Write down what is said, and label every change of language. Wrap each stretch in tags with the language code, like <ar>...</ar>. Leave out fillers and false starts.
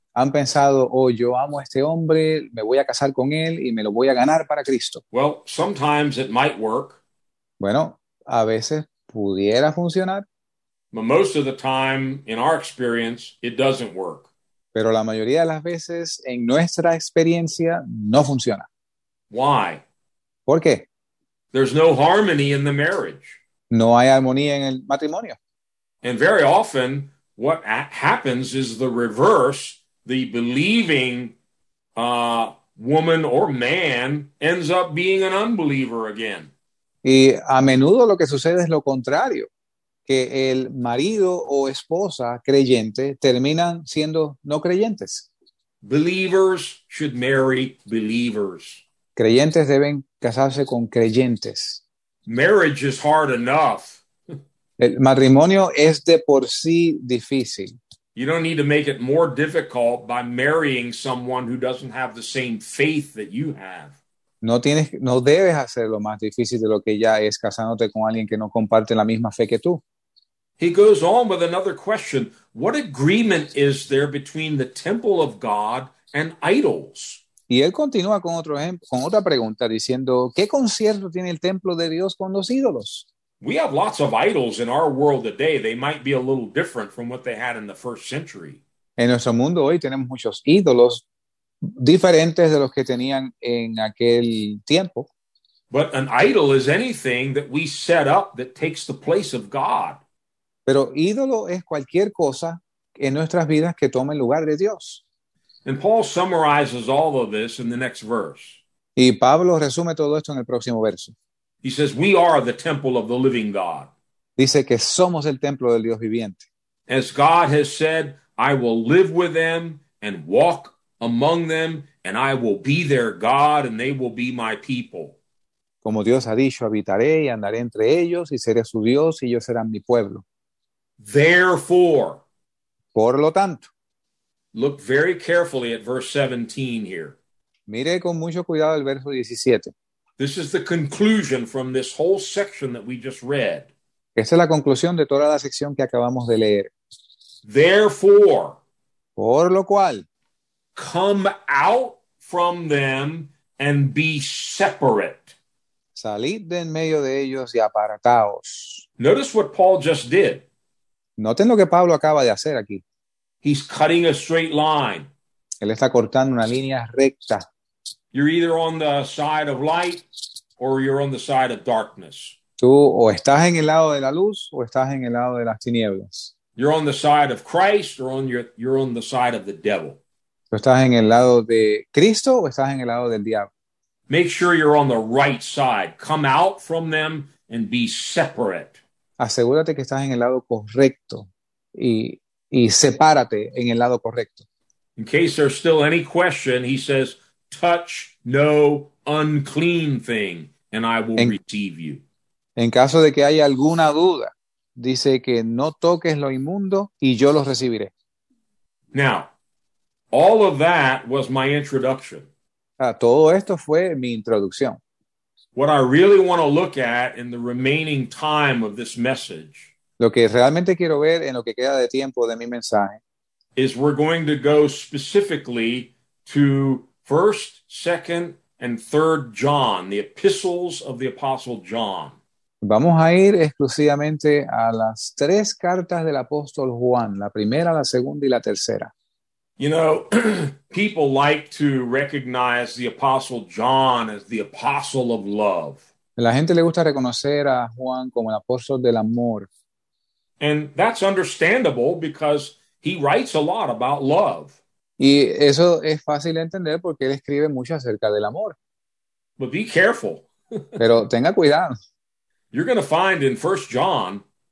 <es>Han pensado, oh, yo amo a este hombre, me voy a casar con él y me lo voy a ganar para Cristo.</es> <en>Well, sometimes it might work.</en> <es>Bueno, a veces pudiera funcionar.</es> <en>But most of the time, in our experience, it doesn't work.</en> <es>Pero la mayoría de las veces, en nuestra experiencia, no funciona.</es> <en>Why?</en> <es>¿Por qué?</es> <en>There's no harmony in the marriage.</en> <es>No hay armonía en el matrimonio.</es> <en>And very often, what happens is the reverse. The believing woman or man ends up being an unbeliever again.</en> <es>Y a menudo lo que sucede es lo contrario, que el marido o esposa creyente terminan siendo no creyentes.</es> <en>Believers should marry believers.</en> <es>Creyentes deben casarse con creyentes.</es> <en>Marriage is hard enough.</en> <es>El matrimonio es de por sí difícil.</es> <en>You don't need to make it more difficult by marrying someone who doesn't have the same faith that you have.</en> <es>No debes hacerlo más difícil de lo que ya es casándote con alguien que no comparte la misma fe que tú.</es> <en>He goes on with another question. What agreement is there between the temple of God and idols?</en> <es>Y él continúa con otro ejemplo, con otra pregunta, diciendo, ¿qué concierto tiene el templo de Dios con los ídolos?</es> <en>We have lots of idols in our world today. They might be a little different from what they had in the first century.</en> <es>En nuestro mundo hoy tenemos muchos ídolos diferentes de los que tenían en aquel tiempo.</es> <en>But an idol is anything that we set up that takes the place of God.</en> <es>Pero ídolo es cualquier cosa en nuestras vidas que tome el lugar de Dios.</es> <en>And Paul summarizes all of this in the next verse.</en> <es>Y Pablo resume todo esto en el próximo verso.</es> <en>He says, we are the temple of the living God.</en> <es>Dice que somos el templo del Dios viviente.</es> <en>As God has said, I will live with them and walk among them, and I will be their God, and they will be my people.</en> <es>Como Dios ha dicho, habitaré y andaré entre ellos, y seré su Dios, y ellos serán mi pueblo.</es> <en>Therefore.</en> <es>Por lo tanto.</es> <en>Look very carefully at verse 17 here.</en> <es>Mire con mucho cuidado el verso 17.</es> <en>This is the conclusion from this whole section that we just read.</en> <es>Esta es la conclusión de toda la sección que acabamos de leer.</es> <en>Therefore,</en> <es>por lo cual,</es> <en>come out from them and be separate.</en> <es>Salid de en medio de ellos y apartaos.</es> <en>Notice what Paul just did.</en> <es>Noten lo que Pablo acaba de hacer aquí.</es> <en>He's cutting a straight line.</en> <es>Él está cortando una línea recta.</es> <en>You're either on the side of light or you're on the side of darkness.</en> <es>Tú o estás en el lado de la luz o estás en el lado de las tinieblas.</es> <en>You're on the side of Christ or you're on the side of the devil.</en> <es>Tú estás en el lado de Cristo o estás en el lado del diablo.</es> <en>Make sure you're on the right side. Come out from them and be separate.</en> <es>Asegúrate que estás en el lado correcto y sepárate en el lado correcto.</es> <en>In case there's still any question, he says, touch no unclean thing and I will receive you.</en> <es>En caso de que haya alguna duda, dice que no toques lo inmundo y yo lo recibiré.</es> <en>Now, all of that was my introduction.</en> <es>Todo esto fue mi introducción.</es> <en>What I really want to look at in the remaining time of this message,</en> <es>lo que realmente quiero ver en lo que queda de tiempo de mi mensaje,</es> <en>is we're going to go specifically to 1st, 2nd, and 3rd John, the epistles of the Apostle John.</en> <es>Vamos a ir exclusivamente a las tres cartas del apóstol Juan, la primera, la segunda y la tercera.</es> <en>You know, people like to recognize the Apostle John as the Apostle of Love.</en> <es>La gente le gusta reconocer a Juan como el apóstol del amor.</es> <en>And that's understandable because he writes a lot about love.</en> <es>Y eso es fácil de entender porque él escribe mucho acerca del amor.</es> <en>But be careful.</en> <es>Pero tenga cuidado.</es> <en>You're going to find in 1 John.</en>